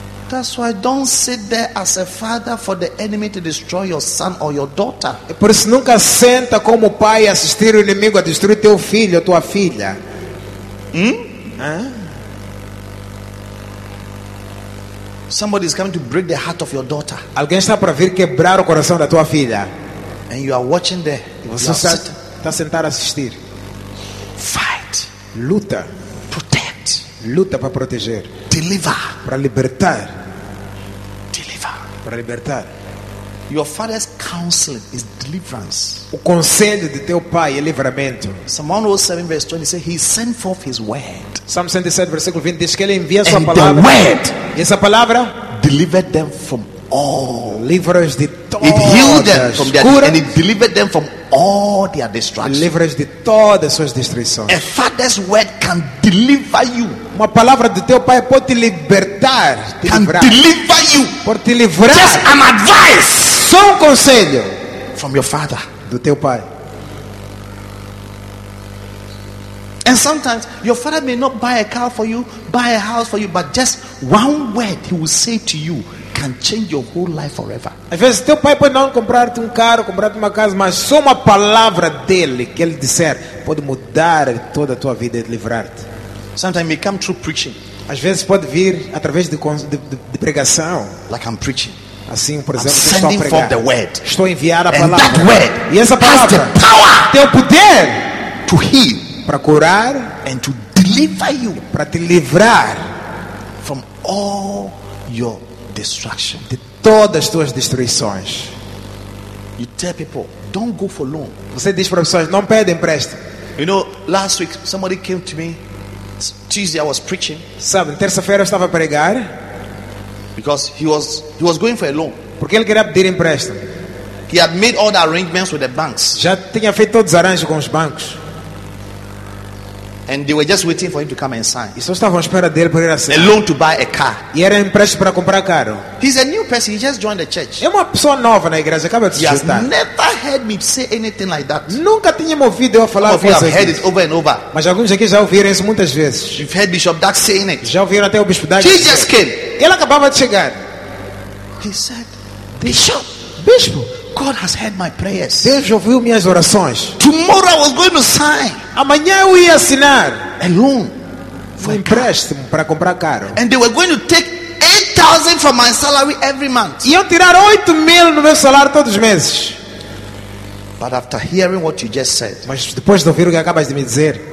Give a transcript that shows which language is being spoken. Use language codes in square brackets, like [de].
[en] That's why don't sit there as a father for the enemy to destroy your son or your daughter. [pt] Por isso nunca senta como pai assistir o inimigo a destruir teu filho ou tua filha. [en] Somebody is coming to break the heart of your daughter. [pt] Alguém está para vir quebrar o coração da tua filha. [en] And you are watching there. [pt] Você está sentado a assistir. [en] Fight. [pt] Luta. [en] Protect. [pt] Luta para proteger. [en] Deliver. [pt] Para libertar. Para libertar. [en] Your father's counseling is deliverance. [pt] O conselho de teu pai é livramento. [en] Psalm 107 verse 20 says he sent forth his word. [pt] Psalm 107 versículo 20 diz que ele envia [en] and [pt] sua palavra. [en] The word [pt] e essa palavra [en] delivered them from all. [pt] Livra-os de todas. [en] It healed them from their cura, and it delivered them from all their destruction. [pt] Livra-os de todas as suas destruições. [en] A father's word can deliver you. [pt] Uma palavra de teu pai pode te libertar. Te [en] can [pt] livrar. [en] Deliver you. [pt] Por te livrar. [en] Just an advice. [pt] Só conselho. [en] From your father. [pt] Do teu pai. [en] And sometimes your father may not buy a car for you, buy a house for you, but just one word he will say to you can change your whole life forever. [pt] Às vezes teu pai pode não comprar-te carro, comprar-te uma casa, mas só uma palavra dele que ele disser pode mudar toda a tua vida e te livrar-te. [en] Sometimes it come through preaching. [pt] Às vezes pode vir através de pregação. [en] Like I'm preaching. [pt] Assim, por exemplo, [en] I'm sending forth the word. [pt] Estou a enviar a palavra. [en] And that word [pt] e essa palavra [en] has the power [pt] tem o poder [en] to heal, [pt] para curar [en] and to deliver you, [pt] para te livrar [en] from all your destruction, [pt] de todas as tuas destruições. [en] You tell people, don't go for loan. [pt] Você diz para pessoas, não pede empréstimo. [en] You know, last week somebody came to me. Tuesday I was preaching. [pt] Sabe, terça-feira eu estava a pregar. [en] Because he was going for a loan. [pt] Porque ele queria pedir empréstimo. [en] He had made all the arrangements with the banks. [pt] Já tinha feito todos os arranjos com os bancos. [en] And they were just waiting for him to come and sign. [pt] E só estavam à espera dele para ir assinar. [en] A loan to buy a car. [pt] E era empréstimo para comprar carro. [en] He's a new person. He just joined the church. [pt] É uma pessoa nova na igreja. Acaba de chegar. [en] He has never heard me say anything like that. [pt] Nunca tinha me ouvido eu falar coisas assim. [en] I've heard it over and over. [pt] Mas alguns aqui já ouviram isso muitas vezes. [en] You've heard Bishop Doug saying it. [pt] Já ouviram até o Bispo Doug. [en] Jesus came. [pt] Ele acabava de chegar. [en] He said, Bishop. [pt] Bispo. [en] God has heard my prayers. [pt] Deus ouviu minhas orações. [en] Tomorrow I was going to sign. [pt] Amanhã eu ia assinar. [en] A loan. [pt] Foi empréstimo para comprar carro. [en] And they were going to take 8,000 from my salary every month. [pt] Iam tirar 8 mil no meu salário todos os meses. [en] But after hearing what you just said, [pt] mas depois de ouvir o que acabas de me dizer,